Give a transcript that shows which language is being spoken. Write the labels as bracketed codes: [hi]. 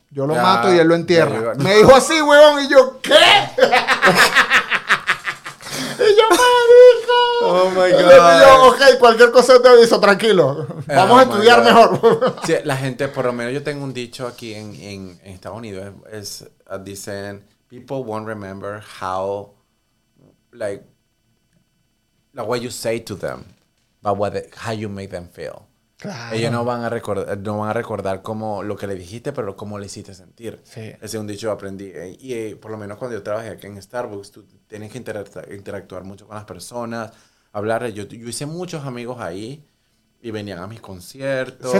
[es] Yo lo mato y él lo entierra. Me dijo así, huevón. Y yo, ¿qué? Y yo, marico. [en] Oh, my God. [es] Y yo, ok, cualquier cosa te aviso, tranquilo. Vamos a estudiar mejor. Sí, la gente, por lo menos yo tengo un dicho aquí en Estados Unidos. Es, dicen, [en] people won't remember how, like, the way you say to them, but how you make them feel. [es] Claro. Ellos no van a recordar cómo lo que le dijiste, pero cómo le hiciste sentir. Sí. Ese es un dicho que aprendí. Y por lo menos cuando yo trabajé aquí en Starbucks, tú tienes que interactuar mucho con las personas, hablar. Yo hice muchos amigos ahí y venían a mis conciertos.